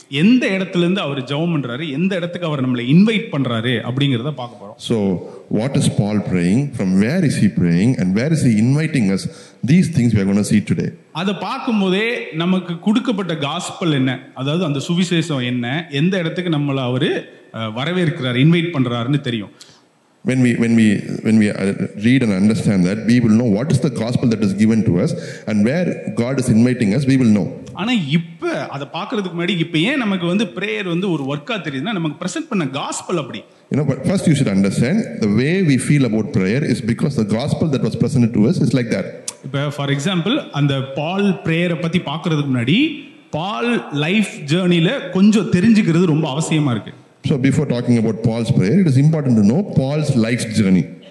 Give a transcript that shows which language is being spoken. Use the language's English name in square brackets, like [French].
[Tamil] எந்த இடத்துல இருந்து அவர் ஜெபம் பண்றாரு? எந்த இடத்துக்கு அவர் நம்மளை இன்வைட் பண்றாரு அப்படிங்கறத பார்க்க போறோம். [English] So what is Paul praying? From where is he praying and where is he inviting us? These things we are going to see today. [Tamil] அத பாக்கும்போது நமக்கு கொடுக்கப்பட்ட காஸ்பல் என்ன, அதாவது அந்த சுவிசேஷம் என்ன, எந்த இடத்துக்கு நம்மள அவரு வரவேற்கிறார், இன்வைட் பண்றாருன்னு தெரியும். [English] When we read and understand that, we will know what is the gospel that is given to us and where God is inviting us, we will know. [Tamil] ஆனா இப்ப அத பாக்குறதுக்கு முன்னாடி இப்ப ஏன் நமக்கு வந்து பிரேயர் வந்து ஒரு வர்க்கா தெரியுதுன்னா நமக்கு பிரசன்ட் பண்ண காஸ்பல் அப்படி. [English] You know, but first you should understand the way we feel about prayer is because the gospel that was presented to us is like that. [Tamil] For example, அந்த பால் பிரேயர் பத்தி பாக்குறதுக்கு முன்னாடி பால் லைஃப் ஜர்னில கொஞ்சம் தெரிஞ்சுக்கிறது ரொம்ப அவசியமா இருக்கு. [English] So before talking about Paul's prayer, it is important to know Paul's life's journey.